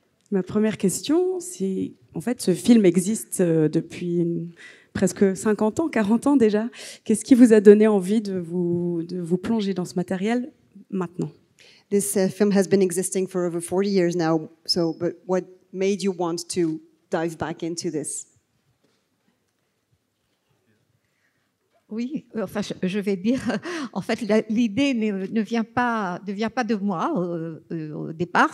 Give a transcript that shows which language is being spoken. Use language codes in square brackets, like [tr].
[fr] Ma première question, c'est, en fait, ce film existe depuis presque 50 ans, 40 ans déjà. Qu'est-ce qui vous a donné envie de vous plonger dans ce matériel maintenant? [en] This film has been existing for over 40 years now. So, but what made you want to dive back into this? [fr] Oui, enfin, je vais dire, en fait, l'idée ne vient pas de moi au départ.